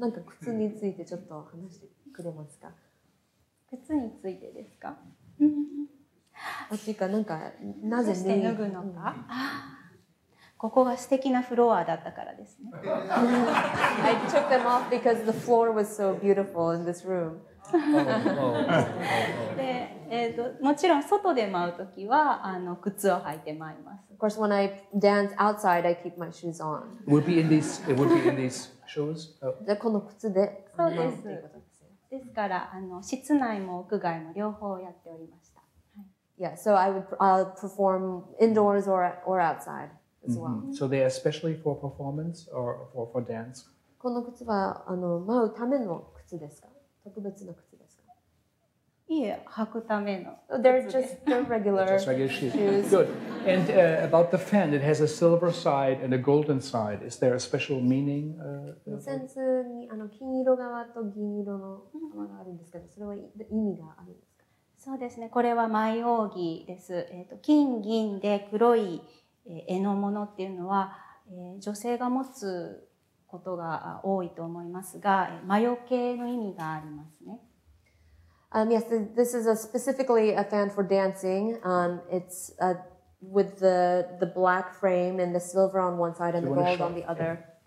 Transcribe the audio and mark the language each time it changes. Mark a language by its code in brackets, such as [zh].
[ja] なんか靴についてちょっと話してくれますか。靴についてですか。あっていうか、なんかなぜ、ね、脱ぐのか。ここが素敵なフロアだったからですね。 [en] I took them off because the floor was so beautiful in this room. [ja] で。もちろん外で舞うときは靴を履いて舞います。 [en] Of course, when I dance outside, I keep my shoes on. It would be in these shoes. [ja] で、この靴で。そうです。ですから室内も屋外も両方やっておりました。 [en] Yeah, so I would perform indoors or outside as well. Mm-hmm. So they are specially for performance or for dance? [ja] この靴は舞うための靴ですか？特別な靴。 [en] They're just regular shoes. Good. And about the fan, it has a silver side and a golden side. Is there a special meaning? [ja] センスに金色側と銀色の側があるんですけど、それは意味があるんですか。そうですね。これは舞扇です。金銀で黒い絵のものっていうのは、女性が持つことが多いと思いますが、魔除けの意味がありますね。 [en] Yes, this is a specifically a fan for dancing. It's with the black frame and the silver on one side and the gold on the other.